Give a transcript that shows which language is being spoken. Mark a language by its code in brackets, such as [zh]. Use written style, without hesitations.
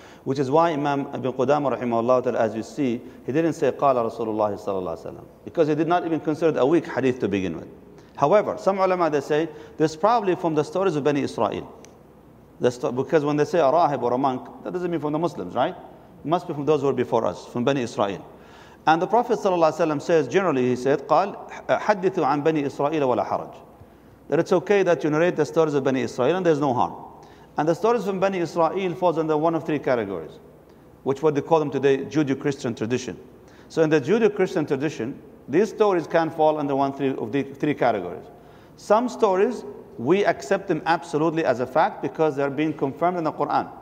[en] Which is why Imam Ibn Qudama, rahimahullah, as you see, he didn't say, [ar] قال رسول الله صلى الله عليه وسلم, [en] because he did not even consider it a weak hadith to begin with. However, some ulama, they say, this probably from the stories of Bani Israel. Because when they say a rahib or a monk, that doesn't mean from the Muslims, right? It must be from those who were before us, from Bani Israel. And the Prophet ﷺ says, generally, he said, [ar] قال حدثوا عن بني إسرائيل ولا حرج. [en] That it's okay that you narrate the stories of Bani Israel and there's no harm. And the stories from Bani Israel falls under one of 3 categories, which what they call them today, Judeo-Christian tradition. So in the Judeo-Christian tradition, these stories can fall under three categories. Some stories, we accept them absolutely as a fact because they're being confirmed in the Quran.